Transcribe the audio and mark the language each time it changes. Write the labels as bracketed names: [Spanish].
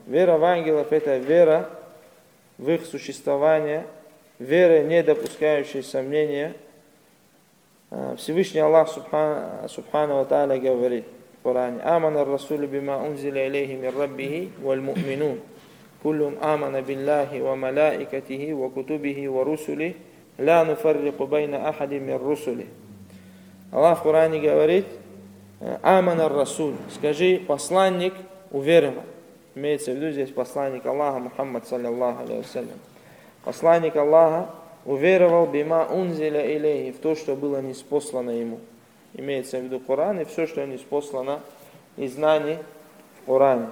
[Russian] Вера в ангелов – это вера в их существование, вера, не допускающая сомнения. Всевышний Аллах, Субхана ва Тааля, говорит в Коране, [Arabic] «Аман ар-расулю бима унзили алейхи мин раббихи валь му'минун». كلهم آمن بالله وملائكته وكتبه ورسله لا نفرق بين أحد من رسله. الله في القرآن [Russian] говорит, Аманар Расуль, скажи, посланник уверовал. Имеется в виду здесь посланник Аллаха, Мухаммад, саллиллаху алейхи ва саллям. Посланник Аллаха уверовал [Arabic] бима унзиля илейхи, [Russian] в то, что было ниспослано ему. Имеется в виду Коран и все, что ниспослано и знание в Коране.